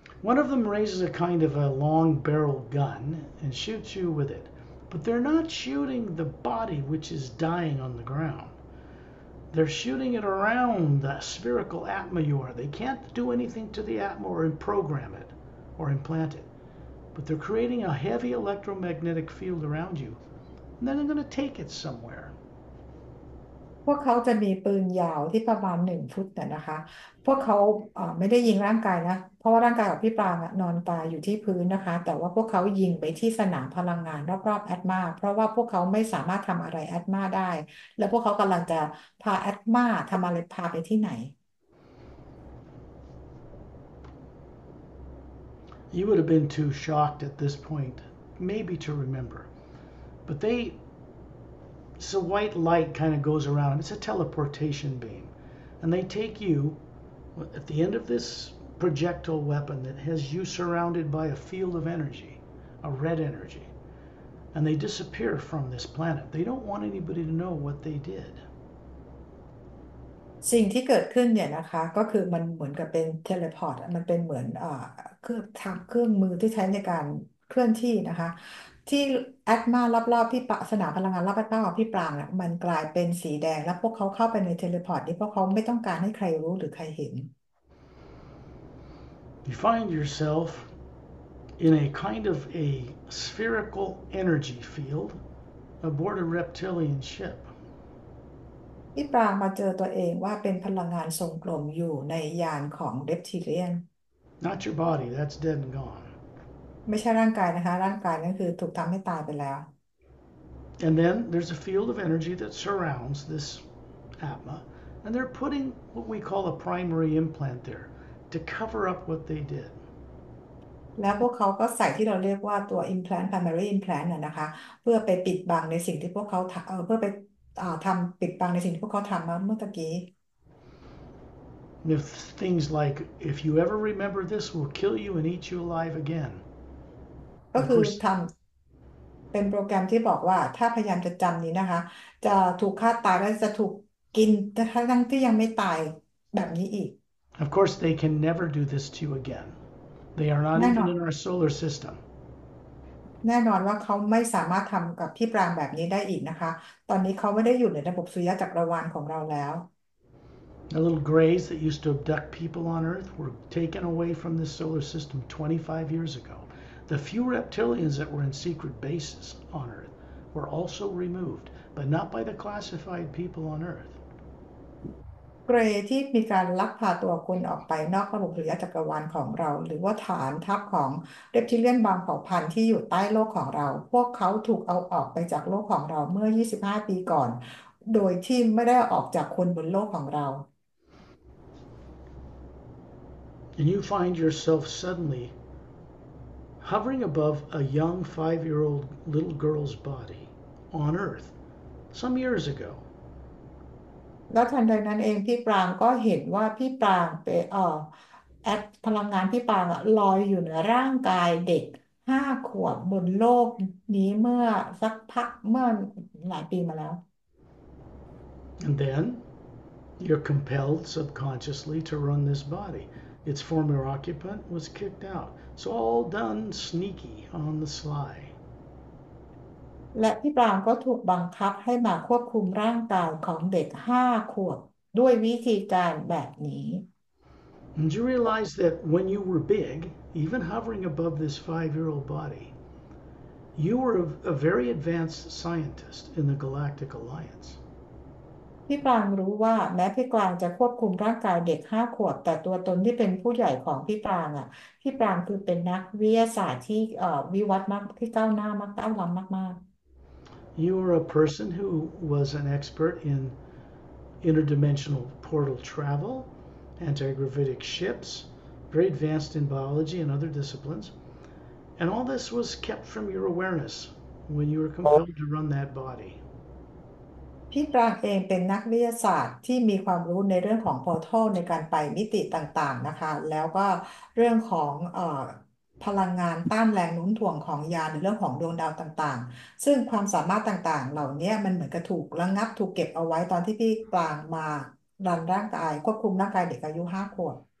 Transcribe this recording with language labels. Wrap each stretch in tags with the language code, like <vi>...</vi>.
<en>One of them raises a kind of a long barrel gun and shoots you with it. But they're not shooting the body which is dying on the ground. They're shooting it around the spherical Atma you are. They can't do anything to the Atma or program it or implant it. But they're creating a heavy electromagnetic field around you. And then they're going to take it somewhere.</en> <th>พวกเขาจะมีปืนยาวที่ประมาณ1 ฟุตแต่นะคะพวกเขาไม่ได้ยิงร่างกายนะเพราะว่าร่างกายของพี่ปรางอ่ะนอนตายอยู่ที่พื้นนะคะแต่ว่าพวกเขายิงไปที่สนามพลังงานรอบๆแอตมาเพราะว่าพวกเขาไม่สามารถทําอะไรแอตมาได้แล้วพวกเขากําลังจะพาแอตมาทําอะไรพาไปที่ไหน</th> <en>You would have been too shocked at this point, maybe to remember. But they, it's a white light kind of goes around them. It's a teleportation beam. And they take you at the end of this projectile weapon that has you surrounded by a field of energy, a red energy. And they disappear from this planet. They don't want anybody to know what they did.</en> <th>สิ่งที่เกิดขึ้นเนี่ยนะคะก็คือมันเหมือนกับเป็นเทเลพอร์ตมันเป็นเหมือนเครื่องทำเครื่องมือที่ใช้ในการเคลื่อนที่นะคะที่แอตมารอบๆที่ปะสนามพลังงานรอบๆของพี่ปรางอ่ะมันกลายเป็นสีแดงแล้วพวกเขาเข้าไปในเทเลพอร์ตนี้เพราะเขาไม่ต้องการให้ใครรู้หรือใครเห็น</th> <en>You find yourself in a kind of a spherical energy field aboard a reptilian ship.</en> <th>พี่ปรางมาเจอตัวเองว่าเป็นพลังงานทรงกลมอยู่ในยานของเรปทิเลียน</th> <en>Not your body, that's dead and gone.</en> <th>ไม่ใช่ร่างกายนะคะร่างกายนั่นคือถูกทำให้ตายไปแล้ว</th> <en>And then there's a field of energy that surrounds this Atma, and they're putting what we call a primary implant there. To cover up what they did.</en> <th>แล้วพวกเขาก็ใส่ที่เราเรียกว่าตัว implant primary implant น่ะนะคะเพื่อไปปิดบังในสิ่งที่พวกเขาเพื่อไปทำปิดบังในสิ่งที่พวกเขาทำเมื่อตะกี้</th> <en>If things like, if you ever remember this, we'll kill you and eat you alive again.</en> <th>ก็</th> <en>Of</en> <th>คือ</th> <en>course.</en> <th>ทำเป็นโปรแกรมที่บอกว่าถ้าพยายามจะจำนี้นะคะจะถูกฆ่าตายแล้วจะถูกกินทั้งที่ยังไม่ตายแบบนี้อีก</th> <en>Of course, they can never do this to you again. They are not</en> <th>แน่</th> <en>even</en> <th>นอ</th> <en>in</en> <th>น</th> <en>our solar system.</en> <th>แน่นอนว่าเขาไม่สามารถทำกับพี่ปรางแบบนี้ได้อีกนะคะตอนนี้เขาไม่ได้อยู่ในระบบสุริยะจักรวาลของเราแล้ว</th> <en>The little grays that used to abduct people on Earth were taken away from this solar system 25 years ago. The few reptilians that were in secret bases on Earth were also removed, but not by the classified people on Earth.</en> <th>เกรที่มีการลักพาตัวคนออกไปนอกระบบสุริยะจักรวาลของเราหรือว่าฐานทัพของเรปทิเลียนบางเผ่าพันธุ์ที่อยู่ใต้โลกของเราพวกเขาถูกเอาออกไปจากโลกของเราเมื่อ25ปีก่อนโดยที่ไม่ได้ออกจากคนบนโลกของเรา</th> <en>And you find yourself suddenly hovering above a young 5-year-old little girl's body on Earth some years ago.</en> <th>แล้วทันใดนั้นเองพี่ปรางก็เห็นว่าพี่ปรางไปแอดพลังงานพี่ปรางอะลอยอยู่ในร่างกายเด็ก5 ขวบบนโลกนี้เมื่อสักพักเมื่อหลายปีมาแล้ว</th> <en>And then you're compelled subconsciously to run this body. Its former occupant was kicked out. So all done sneaky on the sly.</en> <th>และพี่ปรางก็ถูกบังคับให้มาควบคุมร่างกายของเด็ก5 ขวบ ด้วยวิธีการแบบนี้</th> <en>And you realize that when you were big, even hovering above this 5-year-old body, you were a very advanced scientist in the Galactic Alliance.</en> <th>พี่ปางรู้ว่าแม้พี่กลางจะควบคุมร่างกายเด็ก5 ขวบแต่ตัวตนที่เป็นผู้ใหญ่ของพี่ปางอ่ะพี่ปางคือเป็นนักวิทยาศาสตร์ที่วิวัฒน์มากที่ก้าวหน้ามากก้าวล้ำมากๆ</th> <en>You were a person who was an expert in interdimensional portal travel, antigravitic ships, very advanced in biology and other disciplines. And all this was kept from your awareness when you were compelled to run that body.</en> <th>พี่ปรางเองเป็นนักวิทยาศาสตร์ที่มีความรู้ในเรื่องของพอร์ทัลในการไปมิติต่างๆนะคะแล้วก็เรื่องของพลังงานต้านแรงโน้มถ่วงของยานในเรื่องของดวงดาวต่างๆซึ่งความสามารถต่างๆเหล่านี้มันเหมือนกับถูกระงับถูกเก็บเอาไว้ตอนที่พี่ปรางมารันร่างกายควบคุมร่างกายเด็กอายุ5 ขวบ</th>